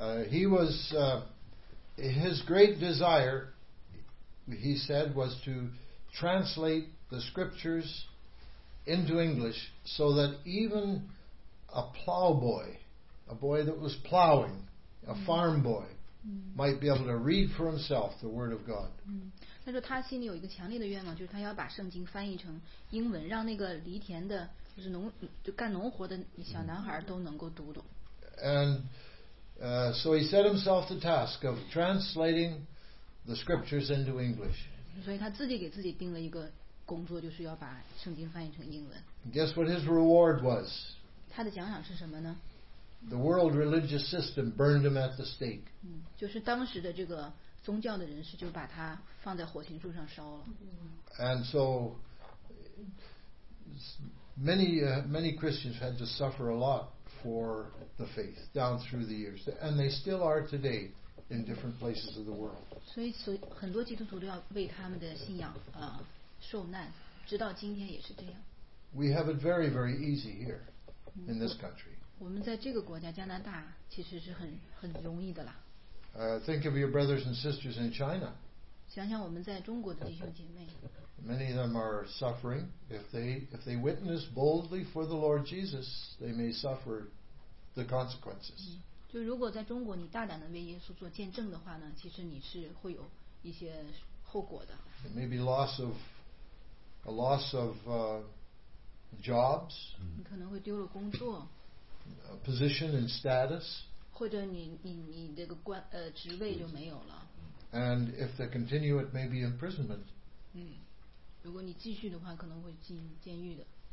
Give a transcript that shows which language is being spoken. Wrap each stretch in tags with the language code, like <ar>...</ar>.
<en>He was, his great desire, he said, was to translate the scriptures into English so that even a plowboy, a boy that was plowing, a farm boy,might be able to read for himself the word of God.</en> <zh>他说他心里有一个强烈的愿望，就是他要把圣经翻译成英文，让那个犁田的，就是农，就干农活的小男孩都能够读懂。</zh> <en>And so he set himself the task of translating the scriptures into English.</en> <zh>所以他自己给自己定了一个工作，就是要把圣经翻译成英文。</zh> <en>Guess what his reward was?</en> <zh>他的奖赏是什么呢？</zh> <en>The world religious system burned him at the stake.</en> <zh>就是当时的这个宗教的人士就把他放在火刑柱上烧了。</zh> <en>And so many Christians had to suffer a lot for the faith down through the years, and they still are today in different places of the world.</en> <zh>所以很多基督徒都要为他们的信仰受难，直到今天也是这样。</zh> <en>We have it very very easy here in this country.</en> <zh>我们在这个国家加拿大其实是很容易的啦。</zh> <en>Think of your brothers and sisters in China.</en> <zh>想想我们在中国的弟兄姐妹。</zh> <en>Many of them are suffering. If they witness boldly for the Lord Jesus, they may suffer the consequences.</en> <zh>就如果在中国你大胆的为耶稣做见证的话呢，其实你是会有一些后果的。</zh> <en>It may be a loss of jobs.</en> <zh>你可能会丢了工作。</zh> <en>Position and status,</en> <zh>或者你这个官职位就没有了。</zh> <en>And if they continue, it may be imprisonment.</en> <zh>如果你继续的话，可能会进监狱的。</zh>